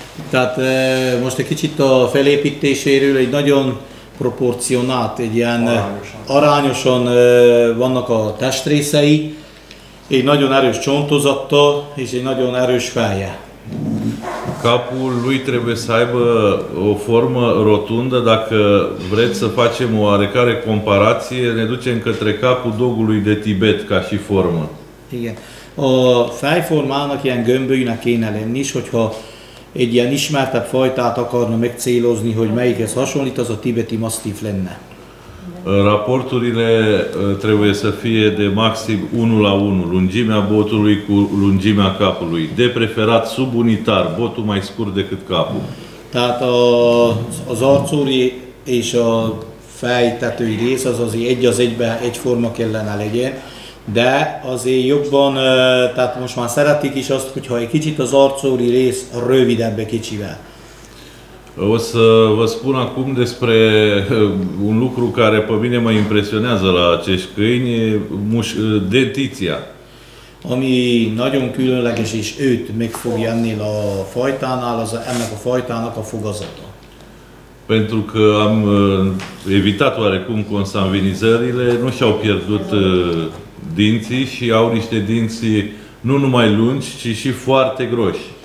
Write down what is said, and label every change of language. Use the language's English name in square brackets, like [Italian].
[Hungarian] Tehát most egy kicsit a felépítéséről, egy nagyon proporcionált, egy ilyen arányosan vannak a testrészei, egy nagyon erős csontozattal és egy nagyon erős feje. [Romanian] Capul lui trebuie să aibă o formă rotundă, dacă vreți să facem o oarecare comparație, ne ducem către capul dogului de Tibet ca și formă. [Hungarian] Igen. A fejformának ilyen gömbölyűnek kéne lenni is, hogyha egy ilyen ismertebb fajtát akarna megcélozni, hogy melyikhez hasonlít, az a tibeti masztív lenne. [Romanian] Raporturile trebuie să fie de maxim 1:1, lungimea botului cu lungimea capului, de preferat subunitar, botul mai scurt decât capul. [Hungarian] Tehát az arcúri és a fejtetői rész az azért egy az egyben egyforma kellene legyen, de azért jobban, tehát most már szeretik is azt, hogyha egy kicsit az arcúri rész rövidebb kicsivel. [Romanian] O să vă spun acum despre un lucru care pe mine mă impresionează la acești câini, dentiția. [Hungarian] Ami nagyon különleges és őt meg fogja ennél a fajtánál, az ennek a fajtának a fogazata. [Romanian] Pentru că am evitat oarecum consanguinizările, nu și-au pierdut dinții și au niște dinții nu numai lungi, ci și foarte groși.